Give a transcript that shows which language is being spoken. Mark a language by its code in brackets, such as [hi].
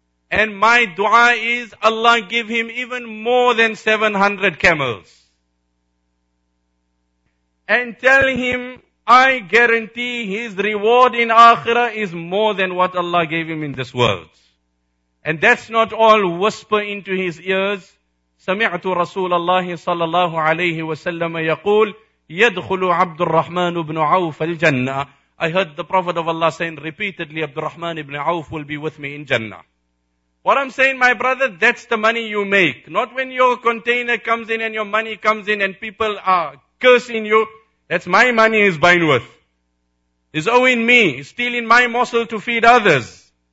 [en] And my dua is Allah give him even more than 700 camels. And tell him I guarantee his reward in Akhirah is more than what Allah gave him in this world. And that's not all, whisper into his ears. [ar] سمعت رسول الله صلى الله عليه وسلم يقول يدخل عبد الرحمن بن عوف الجنة. [en] I heard the Prophet of Allah saying repeatedly, عبد الرحمن بن عوف will be with me in Jannah. What I'm saying, my brother, that's the money you make. Not when your container comes in and your money comes in and people are cursing you. That's my money is buying with. It's owing me, stealing my muscle to feed others.